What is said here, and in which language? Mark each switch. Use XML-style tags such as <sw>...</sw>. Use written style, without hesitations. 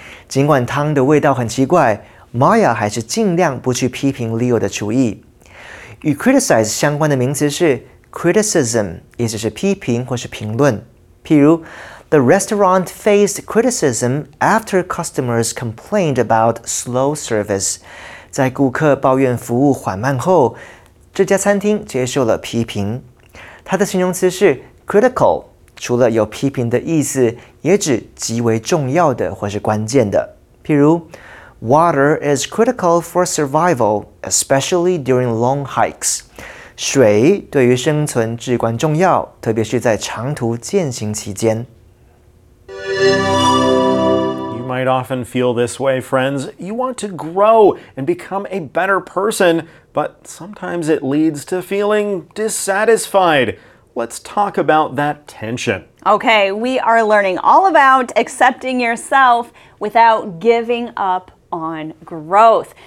<zh>尽管汤的味道很奇怪， Maya 还是尽量不去批评 Leo 的厨艺。与 criticize 相关的名词是 criticism, 意思是批评或是评论。譬如</zh> <en>The restaurant faced criticism after customers complained about slow service.</en> <zh>在顾客抱怨服务缓慢后，这家餐厅接受了批评。它的形容词是 critical, 除了有批评的意思，也指极为重要的或是关键的。譬如</zh> <en>,water is critical for survival, especially during long hikes.</en> <zh>水对于生存至关重要，特别是在长途健行期间。</zh> <en>You might often feel this way, friends. You want to grow and become a better person, but sometimes it leads to feeling dissatisfied. Let's talk about that tension. Okay, we are learning all about accepting yourself without giving up on growth.</en>